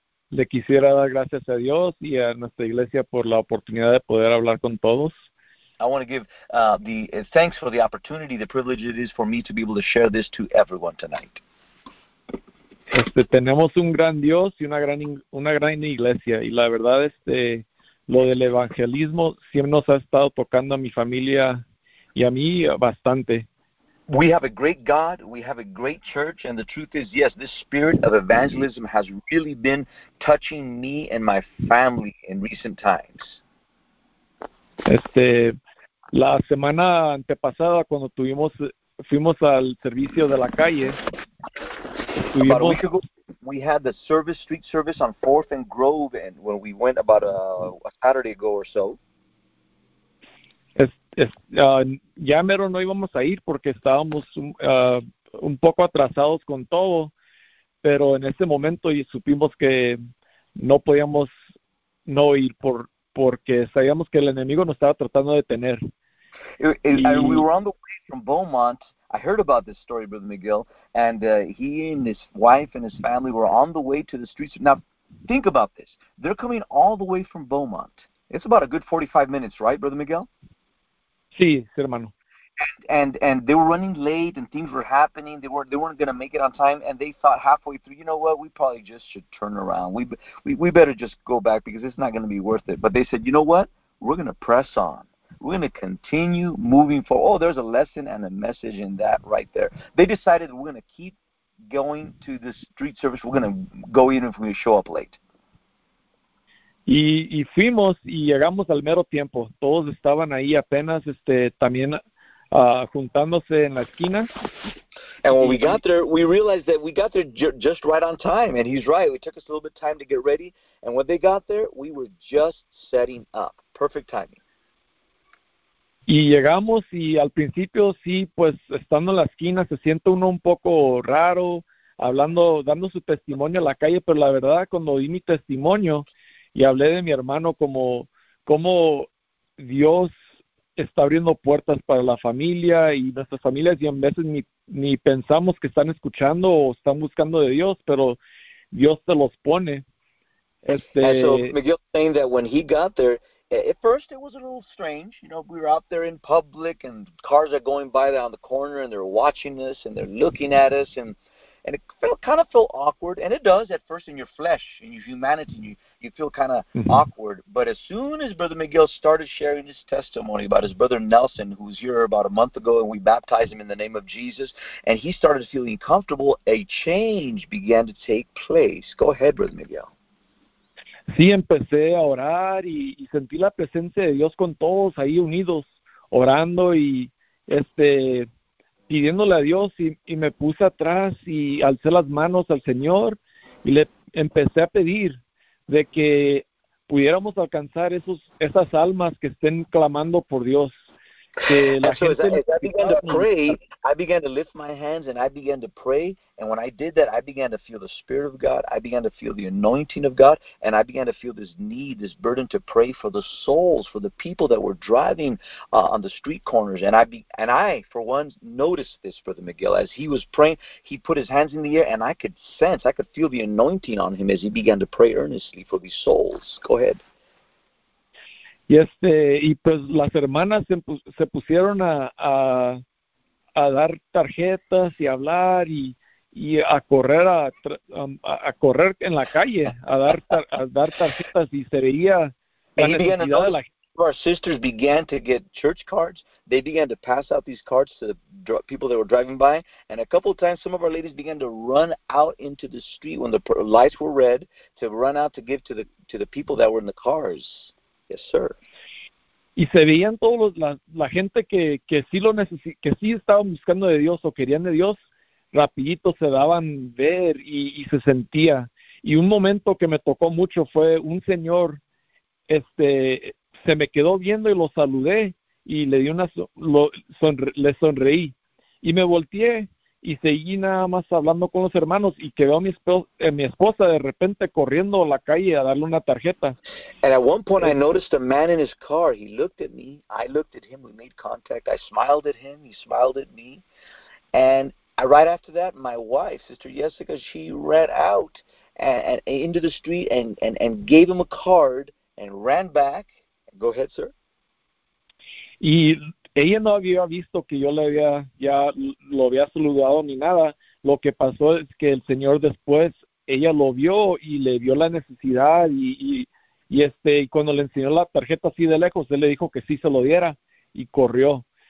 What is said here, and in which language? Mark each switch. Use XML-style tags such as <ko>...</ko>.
<es>Le quisiera dar gracias a Dios y a nuestra iglesia por la oportunidad de poder hablar con todos.</es> <en>I want to give thanks for the opportunity, the privilege it is for me to be able to share this to everyone tonight.</en> <es>Tenemos un gran Dios y una gran iglesia, y la verdad lo del evangelismo siempre nos ha estado tocando a mi familia y a mí bastante.</es> <en>We have a great God, we have a great church, and the truth is, yes, this spirit of evangelism has really been touching me and my family in recent times.</en> <es>La semana antepasada, cuando fuimos al servicio de la calle,</es> <en>about a week ago, we had the service, street service on 4th and Grove, and when we went about a Saturday ago or so.</en> <es>Ya mero no íbamos a ir porque estábamos un poco atrasados con todo, pero en ese momento supimos que no podíamos no ir porque sabíamos que el enemigo nos estaba tratando de detener.</es> <en>We were on the way from Beaumont I heard about this story, Brother Miguel, and he and his wife and his family were on the way to the streets. Now, think about this. They're coming all the way from Beaumont. It's about a good 45 minutes, right, Brother Miguel?</en> <es>Sí, hermano.</es> <en>And they were running late and things were happening. They weren't going to make it on time. And they thought halfway through, you know what, we probably just should turn around. We better just go back because it's not going to be worth it. But they said, you know what, we're going to press on. We're going to continue moving forward. Oh, there's a lesson and a message in that right there. They decided we're going to keep going to the street service. We're going to go even if we show up late.</en> <es>Y fuimos y llegamos al mero tiempo. Todos estaban ahí apenas también juntándose en la esquina.</es> <en>And when we got there, we realized that we got there just right on time. And he's right. It took us a little bit of time to get ready. And when they got there, we were just setting up. Perfect timing.</en> <es>Y llegamos y al principio, sí, pues estando en la esquina, se siente uno un poco raro, hablando, dando su testimonio a la calle. Pero la verdad, cuando di mi testimonio, y hablé de mi hermano como Dios está abriendo puertas para la familia y nuestras familias, y a veces ni pensamos que están escuchando o están buscando de Dios, pero Dios te los pone.</es> <en>And so Miguel saying that when he got there, at first it was a little strange. You know, we were out there in public and cars are going by on the corner and they're watching us and they're looking at us. And it kind of felt awkward, and it does at first in your flesh, in your humanity, you feel kind of awkward. But as soon as Brother Miguel started sharing his testimony about his brother Nelson, who was here about a month ago, and we baptized him in the name of Jesus, and he started feeling comfortable, a change began to take place. Go ahead, Brother Miguel.</en> <es>Sí, empecé a orar, y sentí la presencia de Dios con todos ahí unidos, orando, y pidiéndole a Dios, y me puse atrás y alcé las manos al Señor y le empecé a pedir de que pudiéramos alcanzar esas almas que estén clamando por Dios.</es> <en>I began to lift my hands and I began to pray, and when I did that, I began to feel the Spirit of God, I began to feel the anointing of God, and I began to feel this need, this burden to pray for the souls, for the people that were driving on the street corners. And I for one, noticed this, Brother Miguel. As he was praying, he put his hands in the air, and I could feel the anointing on him as he began to pray earnestly for these souls. Go ahead.</en> <es>Y y pues las hermanas se pusieron a dar tarjetas y hablar y a correr a correr en la calle a dar tarjetas, y se veía la necesidad de la gente.</es> <en>Our sisters began to get church cards. They began to pass out these cards to the people that were driving by. And a couple of times, some of our ladies began to run out into the street when the lights were red to run out to give to the people that were in the cars. Yes, sir.</en> <es>Y se veían todos la gente que sí estaban buscando de Dios o querían de Dios, rapidito se daban ver y se sentía. Y un momento que me tocó mucho fue un señor, se me quedó viendo y lo saludé y le di le sonreí. Y me volteé y seguí nada más hablando con los hermanos, y quedó mi esposa de repente corriendo a la calle a darle una tarjeta.</es> <en>And at one point I noticed a man in his car. He looked at me, I looked at him, we made contact, I smiled at him, he smiled at me. And right after that, my wife, Sister Jessica, she ran out and into the street and gave him a card and ran back. Go ahead, sir.</en> <es>Y ella no había visto que yo le había ya lo había saludado ni nada. Lo que pasó es que el señor después ella lo vio y le vio la necesidad y cuando le enseñó la tarjeta así de lejos, él le dijo que sí se lo diera y corrió.</es>